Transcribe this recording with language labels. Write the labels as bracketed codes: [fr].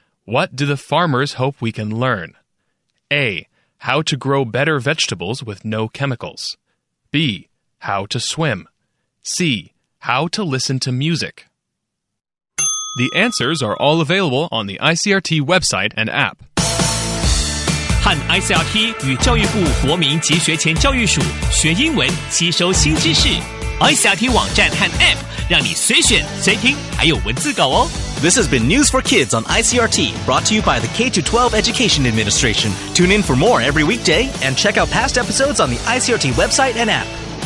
[en] What do the farmers hope we can learn? A. How to grow better vegetables with no chemicals. B. How to swim. C. How to listen to music. The answers are all available on the ICRT website and app. [zh] 和 ICRT 与教育部国民及学前教育署学英文，吸收新知识。 ICRT 网站和 app 让你随选随听，还有文字稿哦。 [en] This has been News for Kids on ICRT, brought to you by the K-12 Education Administration. Tune in for more every weekday and check out past episodes on the ICRT website and app.